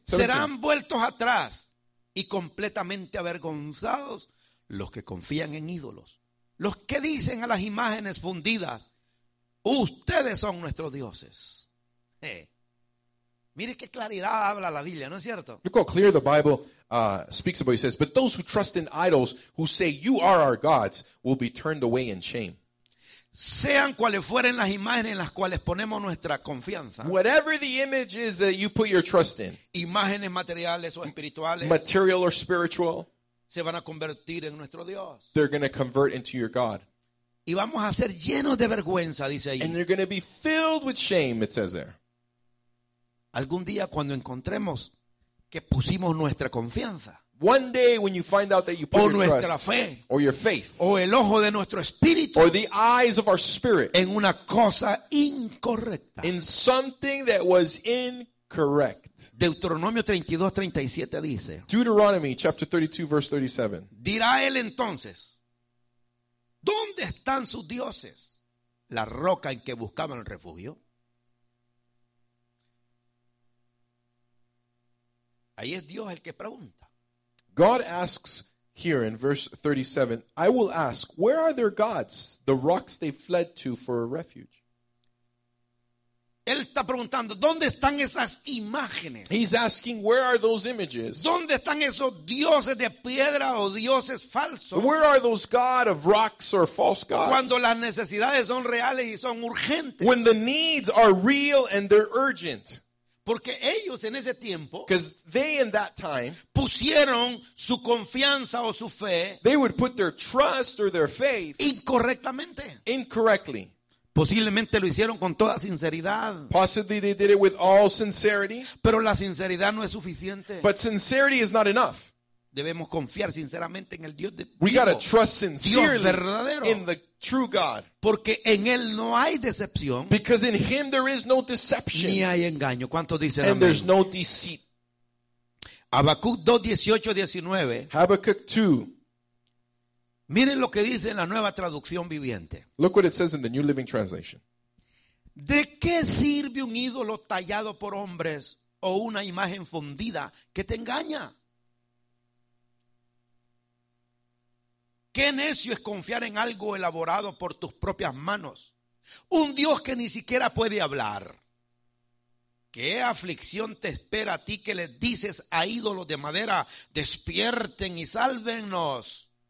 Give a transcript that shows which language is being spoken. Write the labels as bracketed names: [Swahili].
[Spanish] Serán vueltos atrás y completamente avergonzados los que confían en ídolos. Los que dicen a las imágenes fundidas, ustedes son nuestros dioses. Mire qué claridad habla la Biblia, ¿no es cierto? [English] Look how clear the Bible speaks about. He says, but those who trust in idols, who say you are our gods, will be turned away in shame. [Spanish] Sean cuales fueren las imágenes en las cuales ponemos nuestra confianza. [English] Whatever the image is that you put your trust in. [Spanish] Imágenes materiales o espirituales. [English] Material or spiritual. [Spanish] Se van a convertir en nuestro Dios. [English] They're going to convert into your God. [Spanish] Y vamos a ser llenos de vergüenza, dice ahí. [English] And they're going to be filled with shame, it says there. [Spanish] Algún día cuando encontremos que pusimos nuestra confianza. [English] One day when you find out that you put your trust. [Spanish] Fe, [English] or your faith. [Spanish] O el ojo de nuestro espíritu. [English] Or the eyes of our spirit. [Spanish] En una cosa incorrecta. [English] In something that was incorrect. [Spanish] Deuteronomio 32:37 dice. [English] Deuteronomy chapter 32 verse 37. [Spanish] Dirá él entonces. ¿Dónde están sus dioses? La roca en que buscaban el refugio. Ahí es Dios el que pregunta. [English] God asks here in verse 37, I will ask, where are their gods, the rocks they fled to for a refuge? [Spanish] Él está preguntando, ¿dónde están esas imágenes? [English] He's asking, where are those images? [Spanish] ¿Dónde están esos dioses de piedra o dioses falsos? [English] Where are those gods of rocks or false gods? [Spanish] Cuando las necesidades son reales y son urgentes. [English] When the needs are real and they're urgent. [Spanish] Porque ellos en ese tiempo, [English] because they in that time, [Spanish] pusieron su confianza o su fe, [English] they would put their trust or their faith, [Spanish] incorrectamente, [English] incorrectly, [Spanish] posiblemente lo hicieron con toda sinceridad, [English] possibly they did it with all sincerity, [Spanish] pero la sinceridad no es suficiente, [English] but sincerity is not enough. [Spanish] Debemos confiar sinceramente en el Dios de vivo. [English] We gotta trust sincerely, [Spanish] Dios verdadero, [English] in the true God. [Spanish] Porque en él no hay decepción. [English] Because in him there is no deception. [Spanish] Ni hay engaño. ¿Cuánto dicen [English] amén? And there's no deceit. [Spanish] Habacuc 2:18-19. Habacuc 2. Miren lo que dice en la Nueva Traducción Viviente. [English] Look what it says in the New Living Translation. [Spanish] ¿De qué sirve un ídolo tallado por hombres o una imagen fundida que te engaña? Qué necio es confiar en algo elaborado por tus propias manos. Un Dios que ni siquiera puede hablar. Qué aflicción te espera a ti que le dices a ídolos de madera, despierten y sálvennos.